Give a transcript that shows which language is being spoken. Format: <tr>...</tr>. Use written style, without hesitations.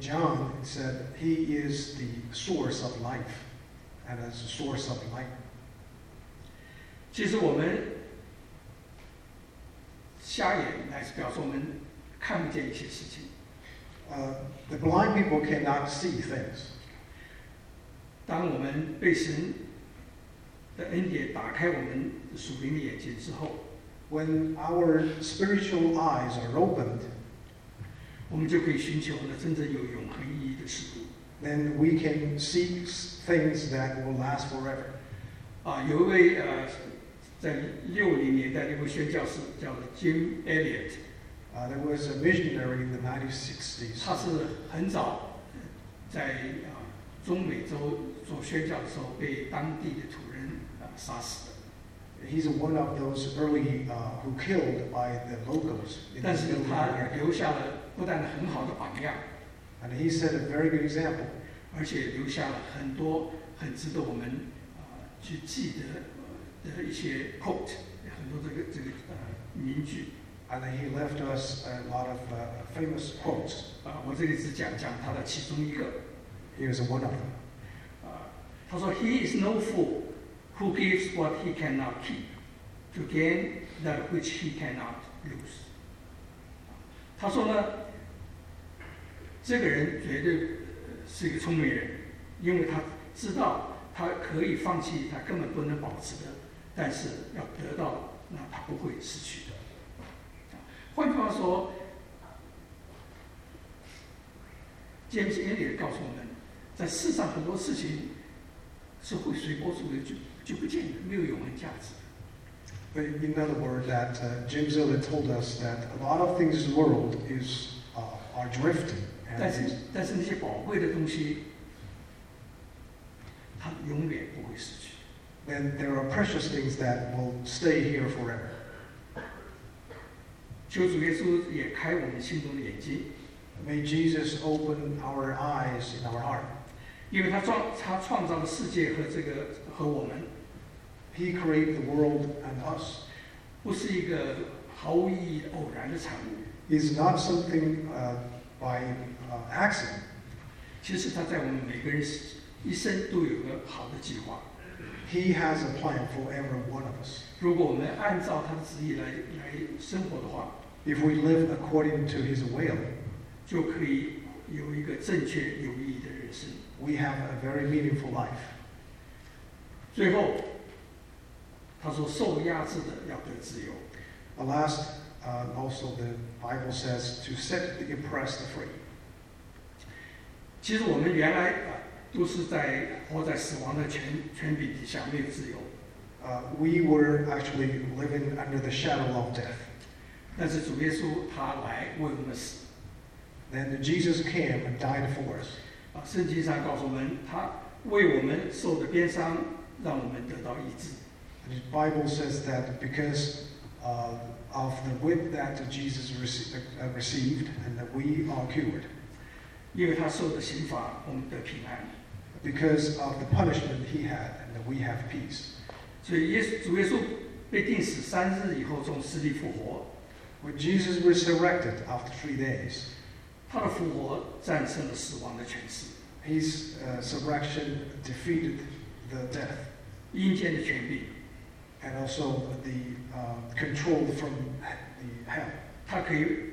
<en>John, it said he is the source of life, and as a source of light.</en> <zh>其实我们瞎眼乃是表示我们看不见一些事情。</zh> <en>The blind people cannot see things.</en> <zh>当我们被神 恩典打开我们属灵的眼睛之后,</zh> <en>when our spiritual eyes are opened,</en> <zh>我们就可以寻求真正有永恒意义的事物,</zh> <en>then we can seek things that will last forever.</en> <zh>有一位在60年代的一位宣教士叫Jim Elliot,</zh> <en>there was a missionary in the 1960s.</en> <zh>他是很早在中美洲做宣教的时候被当地的土人杀死的。</zh> <en>He's one of those early who killed by the locals.</en> <zh>但是他留下了不但很好的榜样</zh> <en>，and he set a very good example.</en> <zh>而且留下了很多很值得我们去记得的一些 quote， 很多这个名句。</zh> <en>And he left us a lot of famous quotes.</en> <zh>我这里只讲他的其中一个。</zh> <en>He was one of them.</en> <zh>他说</zh> <en>，He is no fool. Who gives what he cannot keep to gain that which he cannot lose?</en> <zh>他说呢，这个人绝对是一个聪明人，因为他知道他可以放弃他根本不能保持的，但是要得到那他不会失去的。换句话说，詹姆斯·艾略特告诉我们，在世上很多事情是会随波逐流。就不见了，没有永恒价值。</zh> <en>But in other words, that James Elliot told us that a lot of things in the world is are drifting.</en> <zh>但是那些宝贵的东西，它永远不会失去。</zh> <en>And there are precious things that will stay here forever.</en> <zh>求主耶稣也开我们心中的眼睛。</zh> <en>May Jesus open our eyes in our heart.</en> <zh>因为他创造了世界和这个和我们</zh> <en>，He created the world and us，</en> <zh>不是一个毫无意义偶然的产物</zh> <en>，Is not something by accident。</en> <zh>其实他在我们每个人一生都有个好的计划</zh> <en>，He has a plan for every one of us。</en> <zh>如果我们按照他的旨意来生活的话</zh> <en>，If we live according to His will，</en> <zh>就可以有一个正确有意义的人生。</zh> <en>We have a very meaningful life.</en> <zh>最后，他说受压制的要得自由。</zh> <en>The last, also the Bible says to set the oppressed free.</en> <zh>其实我们原来都是在活在死亡的权柄底下，没有自由。</zh> <en>We were actually living under the shadow of death.</en> <zh>但是主耶稣他来为我们死。</zh> <en>Then Jesus came and died for us.</en> <zh>圣经上告诉我们，他为我们受的鞭伤，让我们得到医治。</zh> <en>The Bible says that because of the whip that Jesus received, and that we are cured.</en> <zh>因为他受的刑罚，我们得平安。</zh> <en>Because of the punishment he had, and that we have peace.</en> <zh>所以主耶稣被钉死三日以后，从死里复活。</zh> <en>When Jesus resurrected after 3 days.</en> <zh>他的复活战胜了死亡的权势。</zh> <en>His resurrection defeated the death.</en> <zh>阴间的权柄。</zh> <en>And also the control from the hell.</en>